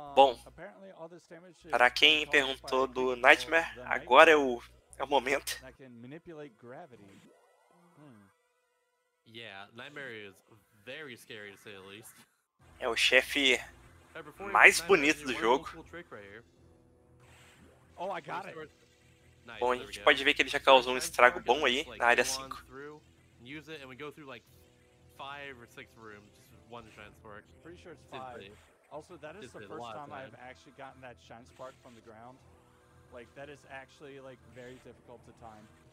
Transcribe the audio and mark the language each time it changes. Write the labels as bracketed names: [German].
[Portuguese] Bom, [English] apparently all this damage is... [Portuguese] Para quem perguntou do Nightmare, agora é o momento. [English] ...that can manipulate gravity. Yeah, Nightmare is very scary to say the least. [Portuguese] É o chefe mais bonito do jogo. [English] Oh, I got it. [Portuguese] Bom, a gente pode ver que ele já causou um estrago bom aí na área 5. [English] Use it and we go through like 5 or 6 rooms one shine spark. Pretty sure it's 5. Also, that is the first time I've actually gotten that shine spark from the ground. Like that is actually like very difficult to time.